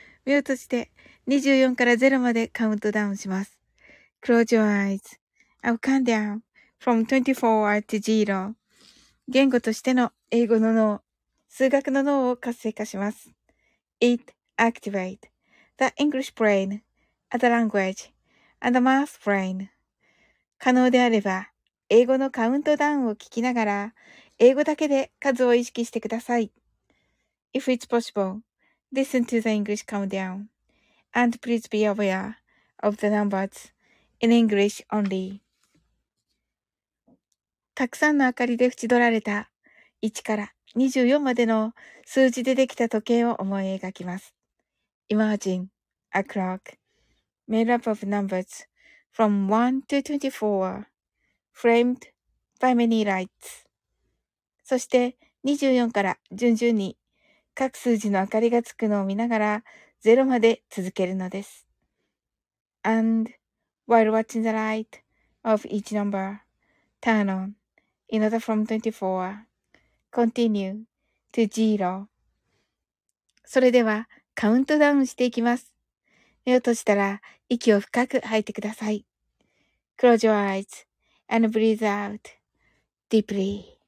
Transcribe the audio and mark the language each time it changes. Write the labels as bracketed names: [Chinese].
[Japanese] ミュートして、24から0までカウントダウンします。 [English] Close your eyes. I'll count down from 24 to 0. [Japanese] 言語としての英語の脳、数学の脳を活性化します。 [English] It activate the English brain and the language and the math brain. [Japanese] 可能であれば、英語のカウントダウンを聞きながら、英語だけで数を意識してください。 [English] If it's possible, listen to the English countdown. And please be aware of the numbers. In English only. [Japanese] たくさんの明かりで縁取られた1から24までの数字でできた時計を思い描きます。 [English] Imagine a clock made up of numbers from 1 to 24 framed by many lights. [Japanese] そして24から順々に各数字の明かりがつくのを見ながら0まで続けるのです。 [English] AndWhile watching the light of each number, turn on, in order from 24, continue to zero. [Japanese] それではカウントダウンしていきます。目を閉じたら息を深く吐いてください。 [English] Close your eyes and breathe out deeply.